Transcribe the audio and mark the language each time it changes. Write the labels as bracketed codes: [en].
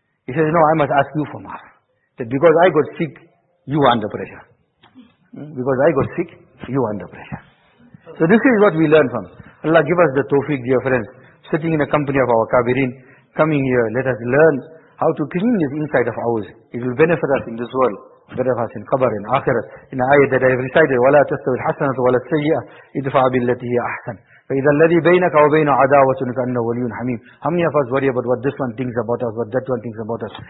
[en] He says, no, I must ask you for maaf. That because I got sick, you were under pressure. Because I got sick, you were under pressure. So this is what we learn from. Allah give us the tawfiq, dear friends, sitting in the company of our kabirin, coming here, let us learn how to clean this inside of ours. It will benefit us in this world. Better of us in Qabr and Akhirah. In the ayah that I have recited, [ar] وَلَا تَسْتَوِي الْحَسَنَةُ وَلَا السَّيِّئَةِ اِدْفَعَ بِالَّتِي هِيَ أَحْسَنَ فَإِذَا الَّذِي بَيْنَكَ وَبَيْنَ عَدَاوَةٌ كَأَنَّهُ وَلِيٌّ حَمِيمٌ. [en] How many of us worry about what this one thinks about us, what that one thinks about us?